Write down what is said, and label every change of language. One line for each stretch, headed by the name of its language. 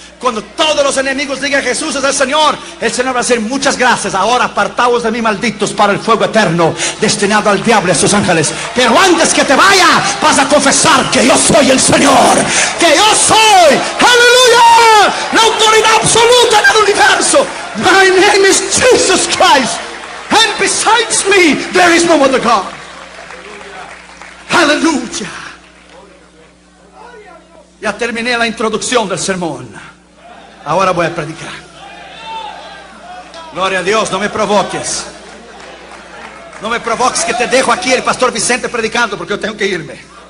Spanish: Cuando todos los enemigos digan Jesús es el Señor va a decir muchas gracias. Ahora apartaos de mí, malditos, para el fuego eterno, destinado al diablo y a sus ángeles. Pero antes que te vaya, vas a confesar que yo soy el Señor. Que yo soy, aleluya, la autoridad absoluta en el universo.
English: My name is Jesus Christ. And besides me, there is no other God.
Spanish: Aleluya. Ya terminé la introducción del sermón. Ahora voy a predicar. Gloria a Dios, no me provoques. No me provoques que te dejo aquí el pastor Vicente predicando porque yo tengo que irme.